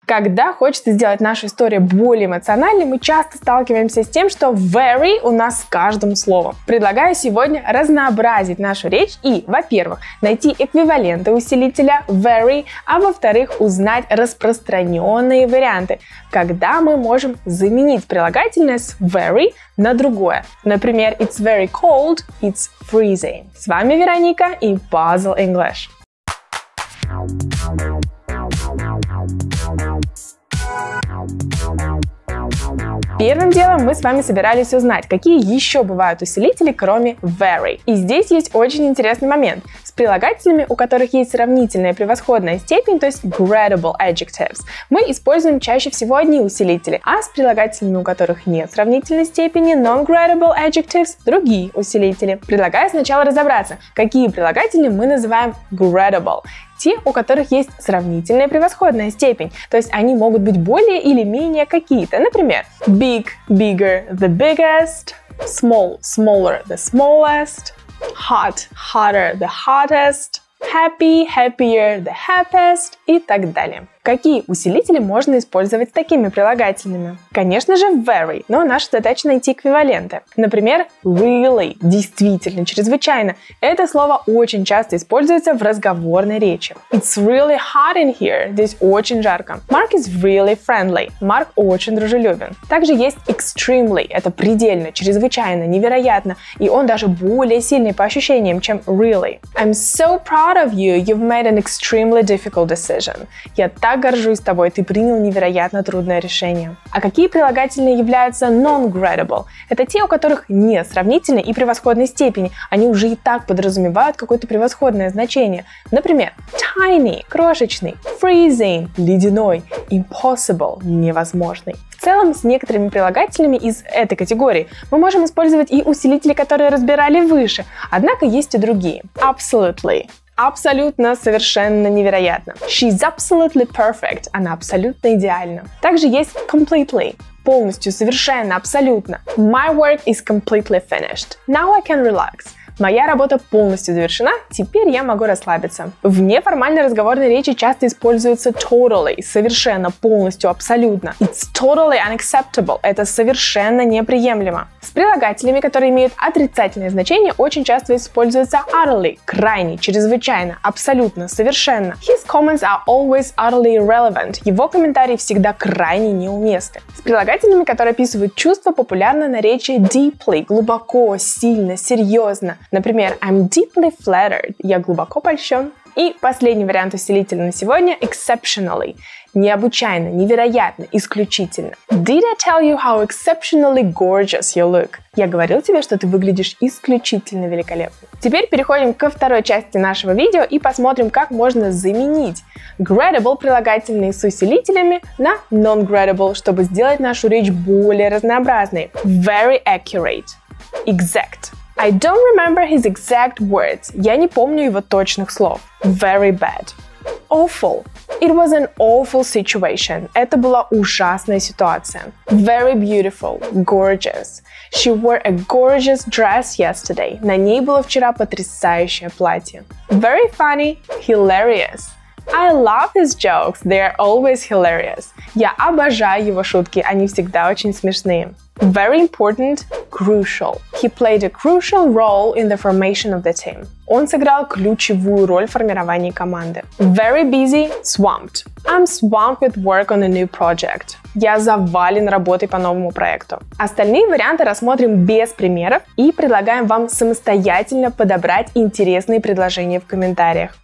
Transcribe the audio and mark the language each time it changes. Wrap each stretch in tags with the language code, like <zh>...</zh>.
<ru>Когда хочется сделать нашу историю более эмоциональной, мы часто сталкиваемся с тем, что very у нас с каждым словом. Предлагаю сегодня разнообразить нашу речь и, во-первых, найти эквиваленты усилителя very, а во-вторых, узнать распространенные варианты, когда мы можем заменить прилагательное с very на другое.</ru> <en>Например, it's very cold, it's freezing.</en> <ru>С вами Вероника и Puzzle English. Первым делом мы с вами собирались узнать, какие еще бывают усилители, кроме very. И здесь есть очень интересный момент. С прилагателями, у которых есть сравнительная превосходная степень, то есть gradable adjectives, мы используем чаще всего одни усилители, а с прилагателями, у которых нет сравнительной степени, non-gradable adjectives, другие усилители. Предлагаю сначала разобраться, какие прилагательные мы называем gradable. Те, у которых есть сравнительная превосходная степень, то есть они могут быть более или менее какие-то.</ru> <en>Например, big, bigger, the biggest, small, smaller, the smallest, hot, hotter, the hottest, happy, happier, the happiest</en> <ru>и так далее. Какие усилители можно использовать с такими прилагательными? Конечно же, very, но наша задача найти эквиваленты. Например, really, действительно, чрезвычайно. Это слово очень часто используется в разговорной речи.</ru> <en>It's really hot in here.</en> <ru>Здесь очень жарко.</ru> <en>Mark is really friendly.</en> <ru>Mark очень дружелюбен. Также есть extremely. Это предельно, чрезвычайно, невероятно. И он даже более сильный по ощущениям, чем really.</ru> <en>I'm so proud of you. You've made an extremely difficult decision.</en> <ru>Я так горжусь тобой, ты принял невероятно трудное решение. А какие прилагательные являются non-gradable? Это те, у которых нет сравнительной и превосходной степени. Они уже и так подразумевают какое-то превосходное значение. Например, tiny – крошечный, freezing – ледяной, impossible – невозможный. В целом, с некоторыми прилагательными из этой категории мы можем использовать и усилители, которые разбирали выше. Однако есть и другие. Absolutely – абсолютно, совершенно, невероятно.</ru> <en>She's absolutely perfect.</en> <ru>Она абсолютно идеальна. Также есть completely. Полностью, совершенно, абсолютно.</ru> <en>My work is completely finished. Now I can relax.</en> <ru>Моя работа полностью завершена, теперь я могу расслабиться. В неформальной разговорной речи часто используется totally, совершенно, полностью, абсолютно.</ru> <en>It's totally unacceptable.</en> <ru>Это совершенно неприемлемо. С прилагателями, которые имеют отрицательное значение, очень часто используется utterly, крайне, чрезвычайно, абсолютно, совершенно.</ru> <en>His comments are always utterly irrelevant.</en> <ru>Его комментарии всегда крайне неуместны. С прилагателями, которые описывают чувства, популярны наречия deeply, глубоко, сильно, серьезно.</ru> <en>Например, I'm deeply flattered.</en> <ru>Я глубоко польщен. И последний вариант усилителя на сегодня – exceptionally. Необычайно, невероятно, исключительно. Did I tell you how exceptionally gorgeous you look? Я говорил тебе, что ты выглядишь исключительно великолепно. Теперь переходим ко второй части нашего видео и посмотрим, как можно заменить gradable прилагательные с усилителями на non-gradable, чтобы сделать нашу речь более разнообразной.</ru> <en>Very accurate. Exact. I don't remember his exact words.</en> <ru>Я не помню его точных слов.</ru> <en>Very bad. Awful. It was an awful situation.</en> <ru>Это была ужасная ситуация.</ru> <en>Very beautiful. Gorgeous. She wore a gorgeous dress yesterday.</en> <ru>На ней было вчера потрясающее платье.</ru> <en>Very funny. Hilarious. I love his jokes. They are always hilarious.</en> <ru>Я обожаю его шутки. Они всегда очень смешные.</ru> <en>Very important, crucial. He played a crucial role in the formation of the team.</en> <ru>Он сыграл ключевую роль в формировании команды.</ru> <en>Very busy, swamped. I'm swamped with work on a new project.</en> <ru>Я завален работой по новому проекту. Остальные варианты рассмотрим без примеров и предлагаем вам самостоятельно подобрать интересные предложения в комментариях.</ru>